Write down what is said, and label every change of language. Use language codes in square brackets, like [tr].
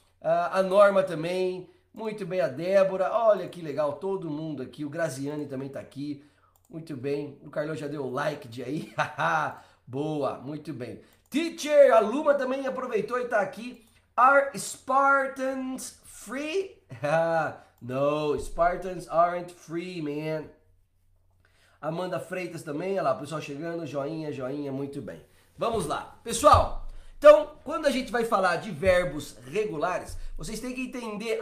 [pt] A Norma também. Muito bem, a Débora. Olha que legal, todo mundo aqui. O Graziani também tá aqui. Muito bem, o Carlão já deu like de aí. Boa, muito bem. Teacher, a Luma também aproveitou e tá aqui. [en] Are Spartans free? No, Spartans aren't free, man. [pt] Amanda Freitas também, olha lá, pessoal chegando, joinha, joinha, muito bem. Vamos lá, pessoal. Então, quando a gente vai falar de verbos regulares, vocês têm que entender.